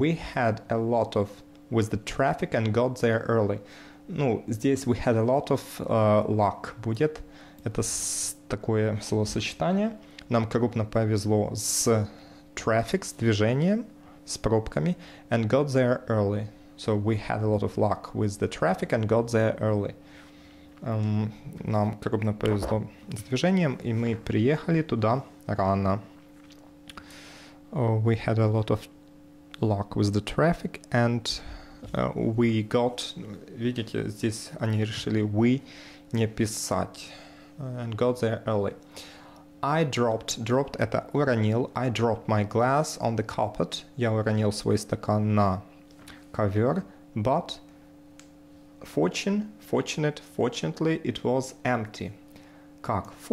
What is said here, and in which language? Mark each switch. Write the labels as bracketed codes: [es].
[en] We had a lot of with the traffic and got there early. [ru] Ну, здесь [en] we had a lot of luck [ru] будет. Это такое словосочетание. Нам крупно повезло с [en] traffic, [ru] с движением, с пробками, [en] and got there early. So we had a lot of luck with the traffic and got there early. [ru] Нам крупно повезло с движением, и мы приехали туда рано. [en] We had a lot of luck with the traffic and we got... [ru] Видите, здесь они решили we не писать. [en] And got there early. I dropped. Dropped — [ru] это уронил. [en] I dropped my glass on the carpet. [ru] Я уронил свой стакан на ковер. [en] But fortunately, it was empty. [ru] Как?